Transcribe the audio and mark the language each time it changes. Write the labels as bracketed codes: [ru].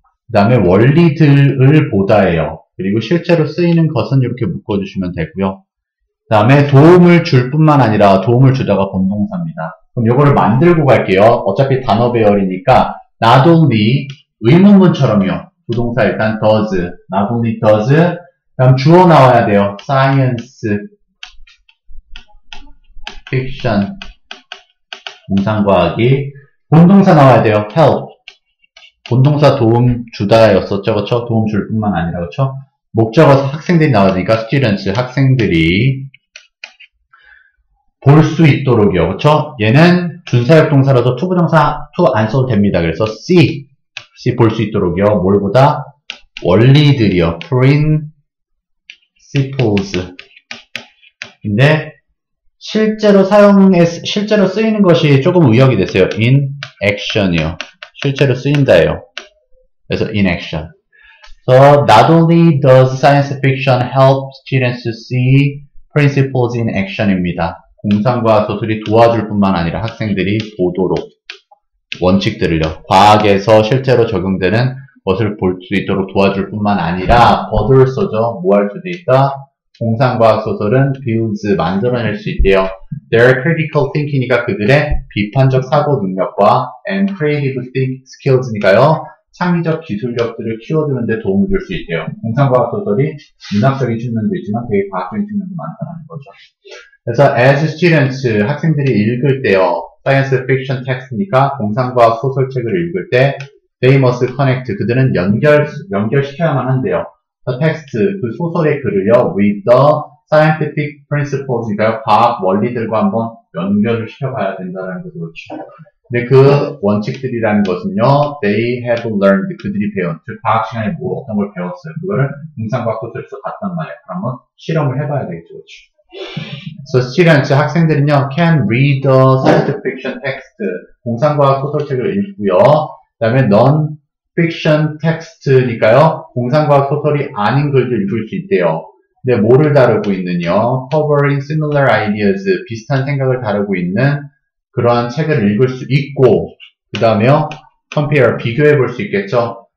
[ko] 그 다음에 원리들을 보다예요. 그리고 실제로 쓰이는 것은 이렇게 묶어주시면 되고요. 그 다음에 도움을 줄 뿐만 아니라 도움을 주다가 본동사입니다. 그럼 요거를 만들고 갈게요. 어차피 단어 배열이니까 [en] not only [ko] 의문문처럼요. 부동사 일단 [en] does, not only does. [ko] 그 다음 주어 나와야 돼요. science fiction 공상과학이 본동사 나와야 돼요. help 본동사 도움 주다였었죠, 그렇죠? 도움 줄 뿐만 아니라, 그렇죠? 목적어서 학생들이 나와야 students, 학생들이 볼 수 있도록이요. 그렇죠? 얘는 준사역 동사라서 to 부정사 to 안 써도 됩니다. 그래서 see 볼 수 있도록이요. 뭘 보다? 원리들이요. principles. 근데 실제로 쓰이는 것이 조금 의역이 됐어요. [en] in action이요. [ko] 실제로 쓰인다예요. [en] 그래서 in action. So not only does science fiction help students to see principles in action입니다. [ko] 공상과 소설이 도와줄 뿐만 아니라 학생들이 보도록 원칙들을요. 과학에서 실제로 적용되는 것을 볼 수 있도록 도와줄 뿐만 아니라 버드를 써줘. 뭐 할 수도 있다. 공상과 소설은 [en] builds, [ko] 만들어낼 수 있대요. [en] Their critical thinking이니까 [ko] 그들의 비판적 사고 능력과 [en] and creative think skills니까요. [ko] 창의적 기술력들을 키워두는 데 도움을 줄 수 있대요. 공상과 소설이 문학적인 측면도 있지만 되게 과학적인 측면도 많다는 거죠. 그래서 [en] as students, [ko] 학생들이 읽을 때요. [en] science fiction text [ko] 니까 공상과학 소설책을 읽을 때 [en] they must connect, [ko] 그들은 연결시켜야만 한대요. [en] the text, [ko] 그 소설의 글을요. [en] with the scientific principles [ko] 니까 과학 원리들과 한번 연결을 시켜봐야 된다는 거죠. 근데 그 원칙들이라는 것은요. [en] they have learned, [ko] 그들이 배운, 즉 과학 시간에 뭐 어떤 걸 배웠어요. 그거를 공상과학 소설에서 봤단 말이에요. 그럼 한번 실험을 해봐야 되겠죠. 그렇죠? [en] So students, [ko] 학생들은요, [en] can read the science fiction text, [ko] 공상과학 소설책을 읽고요. 그 다음에 non-fiction text니까요, 공상과학 소설이 아닌 글도 읽을 수 있대요. 근데 뭐를 다루고 있느냐, [en] covering similar ideas, [ko] 비슷한 생각을 다루고 있는 그러한 책을 읽을 수 있고, 그 다음에 compare, 비교해 볼 수 있겠죠.